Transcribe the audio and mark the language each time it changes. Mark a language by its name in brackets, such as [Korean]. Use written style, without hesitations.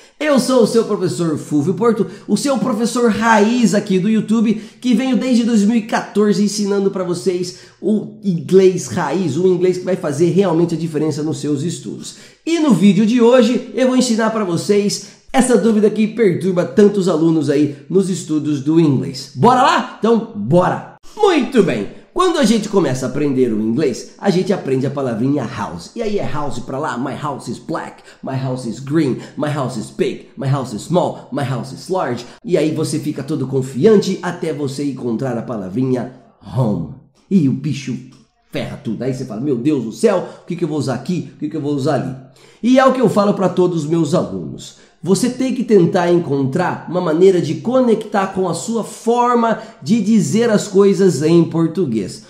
[Portuguese] Eu sou o seu professor Fulvio Porto, o seu professor raiz aqui do YouTube, que venho desde 2014 ensinando para vocês o inglês raiz, o inglês que vai fazer realmente a diferença nos seus estudos. E no vídeo de hoje eu vou ensinar para vocês essa dúvida que perturba tantos alunos aí nos estudos do inglês. Bora lá? Então, bora! Muito bem! Quando a gente começa a aprender o inglês, a gente aprende a palavrinha house. E aí é house pra lá, [English] my house is black, my house is green, my house is big, my house is small, my house is large. [Portuguese] E aí você fica todo confiante até você encontrar a palavrinha home. E o bicho ferra tudo. Aí você fala, meu Deus do céu, o que eu vou usar aqui, o que eu vou usar ali? E é o que eu falo pra todos os meus alunos. Você tem que tentar encontrar uma maneira de conectar com a sua forma de dizer as coisas em português.